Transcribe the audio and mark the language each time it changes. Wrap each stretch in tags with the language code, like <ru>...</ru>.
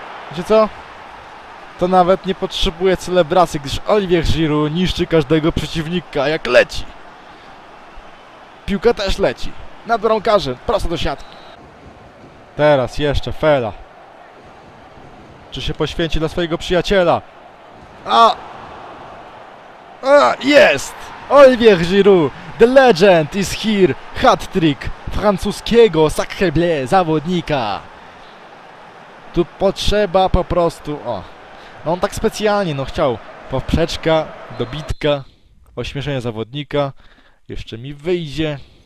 <pl>Wiecie co? To nawet nie potrzebuje celebracji, gdyż Olivier Giroud niszczy każdego przeciwnika, jak leci. Piłka też leci. Nad bramkarzem, prosto do siatki. Teraz jeszcze Fela. Czy się poświęci dla swojego przyjaciela? A! Jest!</pl> <en>Olivier Giroud, the legend is here.</en> <pl>Hat-trick francuskiego, sacrebleu, zawodnika. Tu potrzeba po prostu, o. No on tak specjalnie, no chciał poprzeczka, dobitka, ośmieszenie zawodnika, jeszcze mi wyjdzie.</pl>